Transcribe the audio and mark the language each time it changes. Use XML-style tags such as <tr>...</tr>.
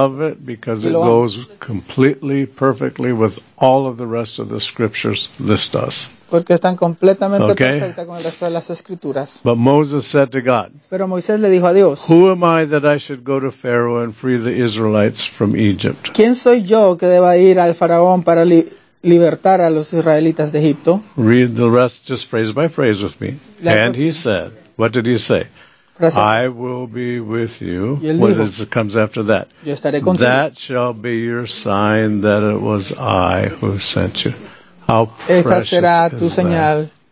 <en>Love it because it goes completely, perfectly with all of the rest of the scriptures this does.</en> <es>Porque están completamente okay. perfectas con el resto de las escrituras.</es> <en>But Moses said to God,</en> <es>pero Moisés le dijo a Dios,</es> <en>who am I that I should go to Pharaoh and free the Israelites from Egypt?</en> <es>¿Quién soy yo que deba ir al faraón para libertar a los israelitas de Egipto?</es> <en>Read the rest just phrase by phrase with me. And he said, what did he say? I will be with you. What</en> <es>dijo,</es> <en>is, comes after that?</en> <es>Yo estaré contigo.</es> <en>That shall be your sign that it was I who sent you. How precious.</en> <es>Esa será tu señal.</es>